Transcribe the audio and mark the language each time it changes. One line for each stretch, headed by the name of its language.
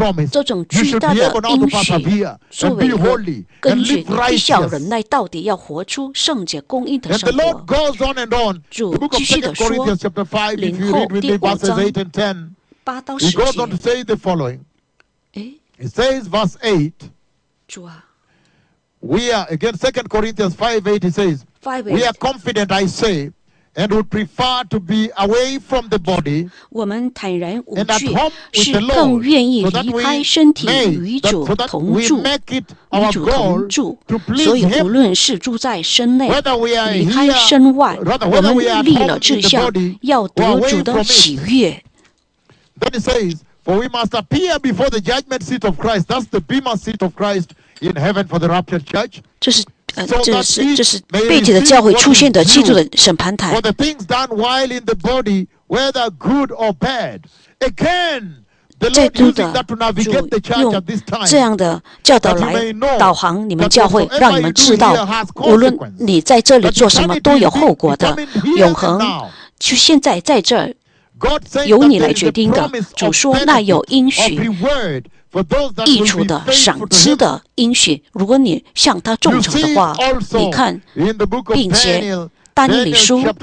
Chinese: 这种巨大的应许作为一个根据，必须要忍耐到底，要活出圣洁公义的生活。主继续地说，灵后第五章八到十节，主啊，我们
English: 2 Corinthians 5, 8, he says,We are confident, I say, and would prefer to be away from the body.
Chinese: 我们坦然无惧，是更愿意离开身体与主同住，与主同住。所以，无论是住在身内，离开身外，我们立了志向，要得主的喜悦。
English: Then he says, "For we must appear before the judgment seat of Christ. That's the bema seat of Christ in heaven for the rapture church."
Chinese: 这是。这是被提的教会出现的基督的审判台。
English: For the things done while in the body, whether good or bad, again, the Lord using that to navigate the church at this time.
Chinese: 这样的教导来导航你们教会，让你们知道，无论你在这里做什么，都有后果的。永恒就现在在这儿，由你来决定的。主说那有应许。益处的、赏赐的应许，如果你向他忠诚的话，你看，并且丹尼里书